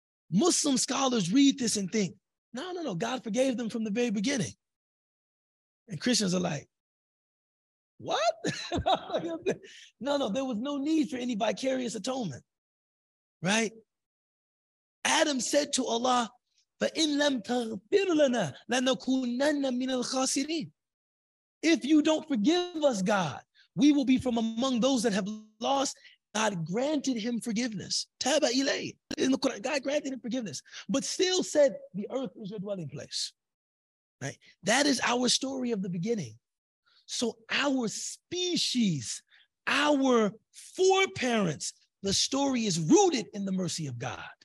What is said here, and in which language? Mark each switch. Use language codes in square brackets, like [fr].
[en] Muslim scholars read this and think, no, God forgave them from the very beginning. And Christians are like, what? No, there was no need for any vicarious atonement, right? [ar] Adam said to Allah, فَإِن لَمْ تَغْفِرْ لَنَا لَنَكُونَنَّ مِنَ الْخَاسِرِينَ. [en] If you don't forgive us, God, we will be from among those that have lost. God granted him forgiveness. Taba ilay. In the Quran, God granted him forgiveness, but still said, the earth is your dwelling place. Right? That is our story of the beginning. So our species, our foreparents, the story is rooted in the mercy of God.